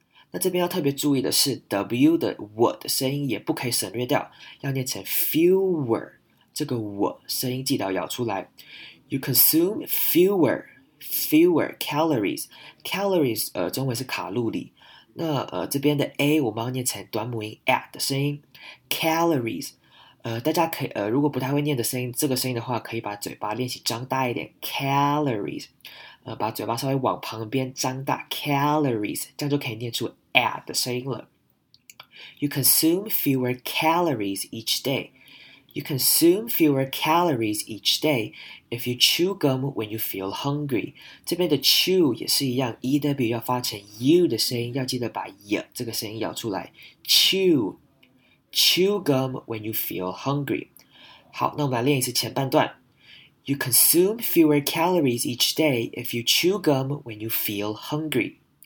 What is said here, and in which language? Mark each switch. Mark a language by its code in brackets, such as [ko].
[zh] 那这边要特别注意的是 W 的 W 的声音也不可以省略掉，要念成 fewer, 这个 W 声音记得要咬出来。 [en] You consume fewer calories. [zh] Calories, 中文是卡路里。那这边的 A 我们要念成短母音 at 的声音 calories， 大家可以如果不太会念的声音，这个声音的话，可以把嘴巴练习张大一点 calories， 把嘴巴稍微往旁边张大 calories， 这样就可以念出 at 的声音了。 [en] You consume fewer calories each day. You consume fewer calories each day if you chew gum when you feel hungry. [zh] 这边的 chew 也是一样 ,EW 要发成 U 的声音，要记得把 Y 这个声音咬出来。 [en] Chew gum when you feel hungry. [zh] 好，那我们来练一次前半段。 [en] You consume fewer calories each day if you chew gum when you feel hungry.